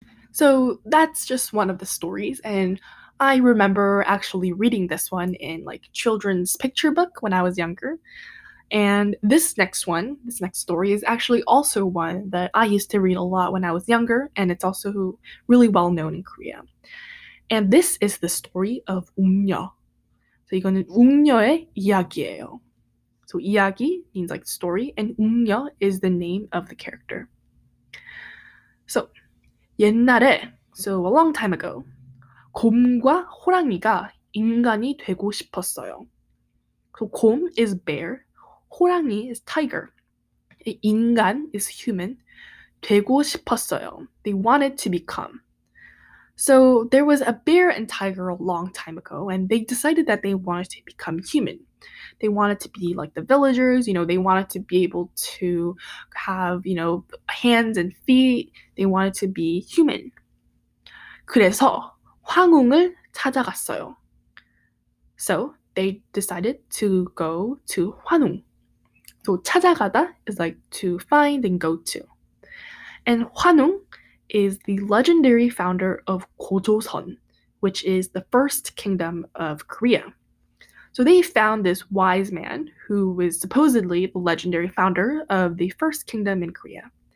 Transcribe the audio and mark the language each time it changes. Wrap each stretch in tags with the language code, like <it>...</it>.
<en>So that's just one of the stories. And I remember actually reading this one in like children's picture book when I was younger. And this next story is actually also one that I used to read a lot when I was younger. And it's also really well known in Korea. And this is the story of 웅녀.</en> <ko>So 이거는 웅녀의 이야기예요.</ko> <en>So 이야기 means like story. And 웅녀 is the name of the character.</en> <ko>So 옛날에,</ko> <en>so a long time ago,</en> <ko>곰과 호랑이가 인간이 되고 싶었어요.</ko> <en>So 곰 is bear, 호랑이 is tiger. 인간 is human.</en> <ko>되고 싶었어요.</ko> <en>They wanted to become. So there was a bear and tiger a long time ago, and they decided that they wanted to become human. They wanted to be like the villagers, you know, they wanted to be able to have, you know, hands and feet. They wanted to be human.</en> <ko>그래서 황웅을 찾아갔어요.</ko> <en>So they decided to go to 환웅. So 찾아가다 is like to find and go to. And 환웅 is the legendary founder of 고조선, which is the first kingdom of Korea. So they found this wise man who was supposedly the legendary founder of the first kingdom in Korea.</en>